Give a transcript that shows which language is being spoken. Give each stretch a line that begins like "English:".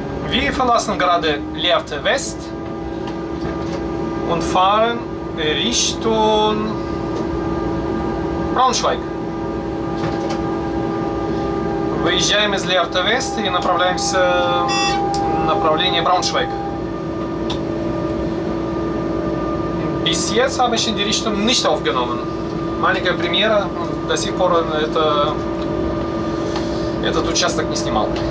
German: Wir verlassen gerade Lehrte West und fahren Richtung Braunschweig.
Russian: Выезжаем из Лерта Вест и направляемся в направление Брауншвейг.
German: Bis jetzt habe ich in die Richtung nicht aufgenommen.
Russian: Маленькая примера, до сих пор этот участок не снимал.